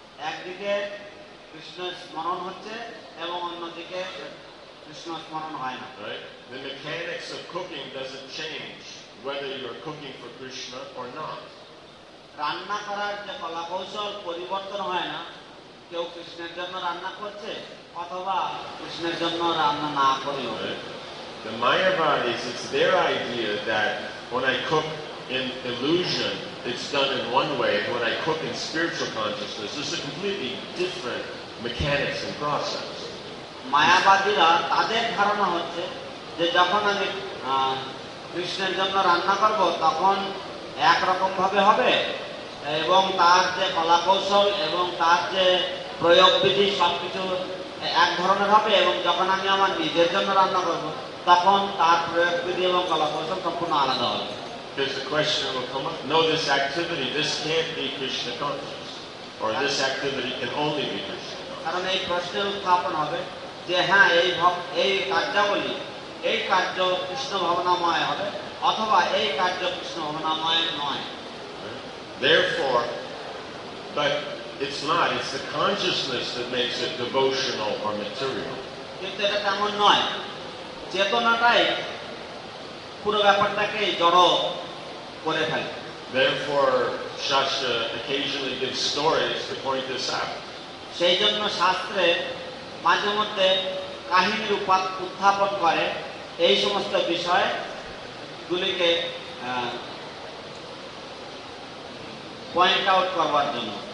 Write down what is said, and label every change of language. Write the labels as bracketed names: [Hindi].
[Bangla] একদিকে কৃষ্ণ স্মরণ হচ্ছে এবং অন্যদিকে কৃষ্ণ স্মরণ হয় না [English] The mechanics of cooking doesn't change whether you are cooking for Krishna or not. [Bangla] রান্না করার যে কলাকৌশল পরিবর্তন হয় না কেউ কৃষ্ণের জন্য রান্না করছে অথবা কৃষ্ণের জন্য রান্না না করলো [English] The Mayavadis, it's their idea that when I cook in illusion, it's done in one way. When I cook in spiritual consciousness, it's a completely different mechanics and process. [Bangla] মায়াবাদীরা তাদের ধারণা হচ্ছে যে যখন আমি কৃষ্ণের জন্য রান্না করব তখন একরকম ভাবে হবে এবং তার যে কলাকৌশল এবং তার যে প্রয়োগবিধি সবকিছু এক ধরনের হবে এবং যখন আমি আমার নিজের জন্য রান্না করব তখন তার প্রয়োগবিধি এবং কলাকৌশল সম্পূর্ণ আলাদা হবে [English] There's a question will come up. No, this activity, this can't be Krishna conscious. Or this activity can only be Krishna conscious. [Bangla] কারণ এই প্রশ্নে উত্থাপন হবে যে হ্যাঁ এই এই কার্যাবলী এই কার্য কৃষ্ণ ভাবনাময় হবে অথবা এই কার্য কৃষ্ণ ভাবনাময় নয় [English] Therefore, but it's not, it's the consciousness that makes it devotional or material. [Bangla] কিন্তু এটা তেমন নয়, চেতনাটাই পুরো ব্যাপারটাকে জড় করে ফেলে [English] Therefore, Shastra occasionally gives stories to point this out. [Bangla] সেই জন্য শাস্ত্রে মাঝে মধ্যে কাহিনীর উত্থাপন করে এই সমস্ত বিষয়ে গুলিকে পয়েন্ট আউট করবার জন্য